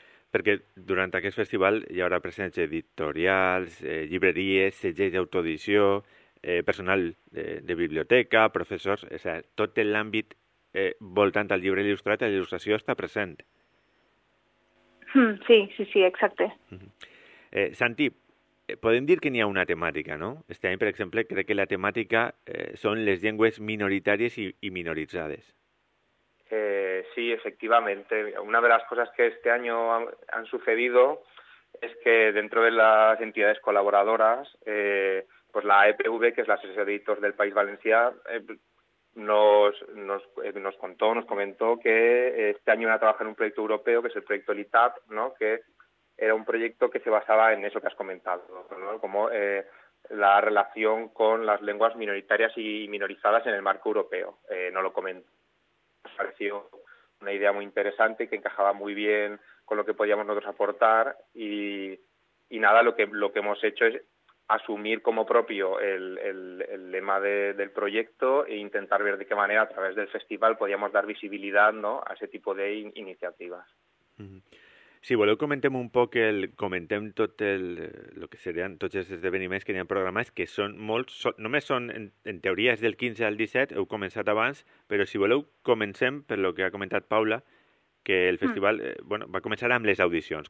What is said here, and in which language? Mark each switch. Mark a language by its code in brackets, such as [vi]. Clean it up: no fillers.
[ca] Perquè durant aquest festival hi haurà presència editorials, llibreries, segells d'autoedició, personal de biblioteca, professors, és a dir, tot l'àmbit voltant al llibre il·lustrat, l'il·lustració està present. Sí, exacte. Santi, podem dir que n'hi ha una temàtica, no? Este any, per exemple, crec que la temàtica són les llengües minoritàries i minoritzades. [es] Sí, efectivamente. Una de las cosas que este año han sucedido es que dentro de las entidades colaboradoras, pues la EPV, que es la Asociación de Editores del País Valencià, nos contó, nos comentó que este año iba a trabajar en un proyecto europeo, que es el proyecto LITAP, ¿no? que era un proyecto que se basaba en eso que has comentado, ¿no? como la relación con las lenguas minoritarias y minorizadas en el marco europeo. No lo comentó. Nos pareció una idea muy interesante que encajaba muy bien con lo que podíamos nosotros aportar y nada, lo que hemos hecho es asumir como propio el lema del proyecto e intentar ver de qué manera a través del festival podíamos dar visibilidad, ¿no?, a ese tipo de iniciativas. [ca] Si voleu, comentem un poc comentem tot el que serien tots els esdeveniments que hi ha programats, que són molts, només són, en teoria, és del 15 al 17, heu començat abans, però si voleu, comencem per el que ha comentat Paula, que el festival bueno, va començar amb les audicions.